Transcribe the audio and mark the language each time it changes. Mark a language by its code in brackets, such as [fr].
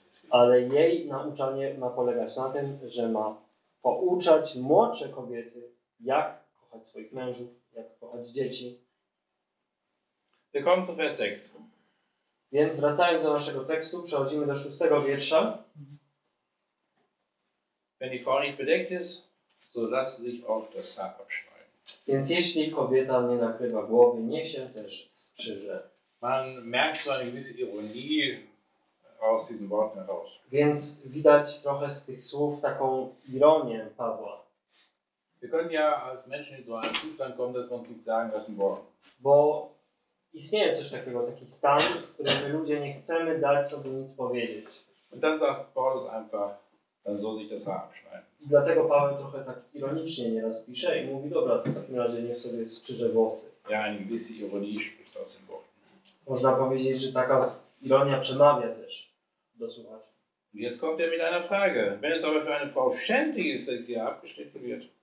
[pl] Ale jej nauczanie ma polegać na tym, że ma pouczać młodsze kobiety, jak kochać swoich mężów, jak kochać dzieci. [de] Wir kommen zu Vers 6. [pl] Więc wracając do naszego tekstu, przechodzimy do 6 wiersza. [de] Wenn die Frau nicht bedeckt ist, so lass sich auch das Haar abschneiden. [pl] Więc jeśli kobieta nie nakrywa głowy, niech się też strzyże. [de] Man merkt so eine gewisse Ironie aus diesen Worten heraus. [pl] Więc widać trochę z tych słów taką ironię Pawła. [de] Wir können ja als Menschen in so einen Zustand kommen, dass man sich sagen lassen wollen. [pl] Bo istnieje coś takiego, taki stan, w którym my ludzie nie chcemy dać sobie nic powiedzieć. [de] Und dann sagt Paulus einfach, dann soll sich das Haar abschneiden. [pl] I dlatego Paweł trochę tak ironicznie nieraz pisze i mówi, dobra, to w takim razie niech sobie strzyże włosy. [de] Ja, eine gewisse Ironie spricht aus dem Wort. [pl] Można powiedzieć, że taka ironia przemawia też do słuchaczy. [de] Jetzt kommt mit einer Frage. Wenn es aber für eine Frau schändlich ist, dass sie abgeschnitten wird.